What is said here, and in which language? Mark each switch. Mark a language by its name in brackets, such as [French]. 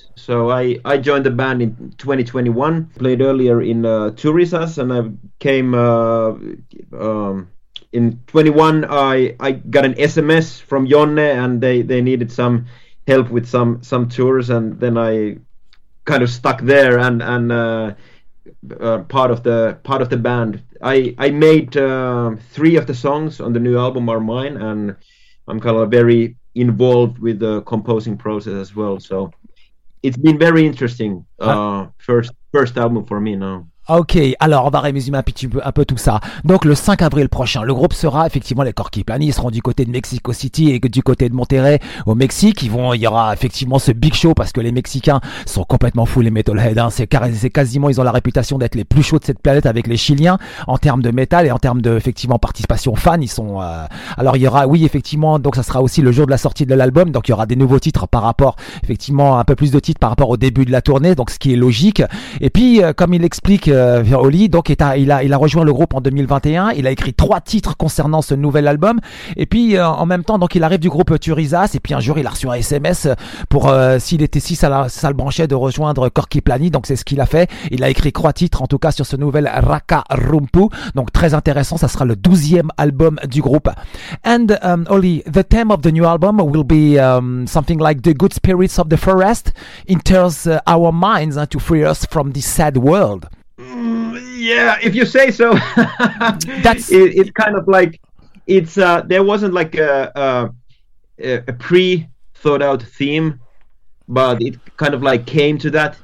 [English] So I joined the band in 2021, played earlier in Turisas, and I came in 21, I got an SMS from Jonne, and they needed some help with some tours, and then I kind of stuck there part of the band. I made three of the songs on the new album are mine, and I'm kind of very involved with the composing process as well. So it's been very interesting first album for me now. [French] Ok, alors on va résumer un peu tout ça. Donc le 5 avril prochain, le groupe sera effectivement les Karpik Lani, ils seront du côté de Mexico City et du côté de Monterrey au Mexique. Il y aura effectivement ce big show parce que les Mexicains sont complètement fous les metalheads. Hein. C'est quasiment, ils ont la réputation d'être les plus chauds de cette planète avec les Chiliens en termes de métal et en termes de effectivement participation fan. Ils sont. Alors il y aura, oui effectivement, donc ça sera aussi le jour de la sortie de l'album. Donc il y aura des nouveaux titres par rapport, effectivement un peu plus de titres par rapport au début de la tournée, donc ce qui est logique. Et puis comme il explique. Oli, donc il a rejoint le groupe en 2021. Il a écrit trois titres concernant ce nouvel album. Et puis en même temps, donc il arrive du groupe Turisas. Et puis un jour, il a reçu un SMS pour s'il le branchait de rejoindre Karpik Lani. Donc c'est ce qu'il a fait. Il a écrit trois titres en tout cas sur ce nouvel Ranka Rumpu. Donc très intéressant. Ça sera le 12e album du groupe. [English] And Oli, the theme of the new album will be something like the good spirits of the forest enters our minds to free us from this sad world. Yeah, if you say so. That's it's kind of like it's there wasn't like a pre thought out theme, but it kind of like came to that.